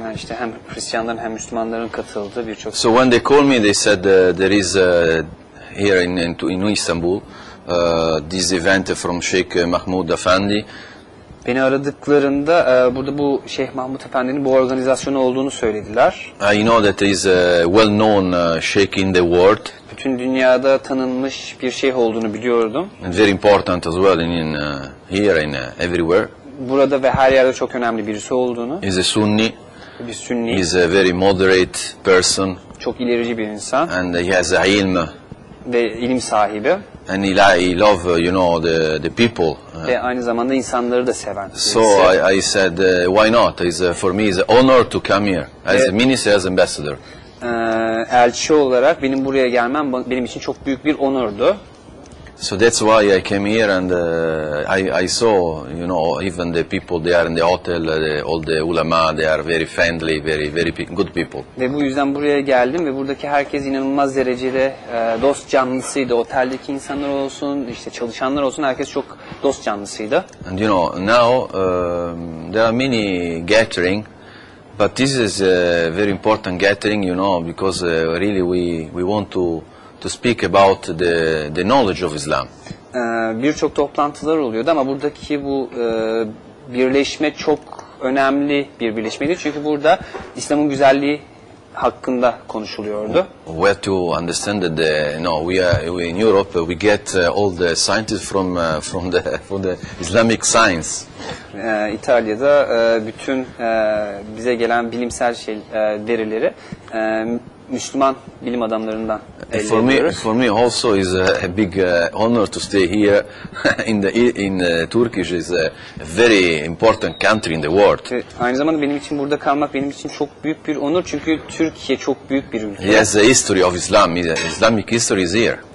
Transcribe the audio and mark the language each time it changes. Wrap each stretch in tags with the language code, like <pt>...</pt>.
<tr>Yani işte hem Hristiyanların hem Müslümanların katıldığı birçok.</tr> <en>So when they called me, they said there is here in Istanbul this event from Sheikh Mahmud Efendi.</en> <tr>Beni aradıklarında burada bu Şeyh Mahmud Efendi'nin bu organizasyonu olduğunu söylediler.</tr> <en>I know that he is a well-known sheikh in the world.</en> <tr>Bütün dünyada tanınmış bir şeyh olduğunu biliyordum.</tr> <en>And very important as well in everywhere.</en> <tr>Burada ve her yerde çok önemli birisi olduğunu.</tr> <en>He is a Sunni.</en> <tr>Bir Sünni.</tr> <en>He is a very moderate person.</en> <tr>Çok ilerici bir insan.</tr> <en>And he has ilm.</en> <tr>Ve ilim sahibi.</tr> <en>And he love the people.</en> <tr>Ve aynı zamanda insanları da seven.</tr> <en>So I said why not? It's for me is an honor to come here as a minister, as ambassador.</en> <tr>Elçi olarak benim buraya gelmem benim için çok büyük bir onurdu.</tr> <en>So that's why I came here and I saw you know even the people they are in the hotel all the ulama they are very friendly very good people.</en> <tr>Ve bu yüzden buraya geldim ve buradaki herkes inanılmaz derecede dost canlısıydı. Oteldeki insanlar olsun işte çalışanlar olsun herkes çok dost canlısıydı.</tr> <en>And you know now there are many gathering but this is a very important gathering you know because really we want to speak about the knowledge of Islam.</en> <tr>Birçok toplantılar oluyordu ama buradaki bu birleşme çok önemli bir birleşmeydi çünkü burada İslam'ın güzelliği hakkında konuşuluyordu.</tr> <en>We have to understand that we in Europe we get all the scientists from the Islamic science.</en> <tr>İtalya'da bütün bize gelen bilimsel verileri Müslüman bilim adamlarından</tr> <en>for me</en> <tr>ediyoruz.</tr> <en>For me also is a big honor to stay here in Turkey, which is a very important country in the world.</en> <tr>Aynı zamanda benim için burada kalmak benim için çok büyük bir onur, çünkü Türkiye çok büyük bir ülke.</tr> <en>Yes, the history of Islam, Islamic history is here.</en>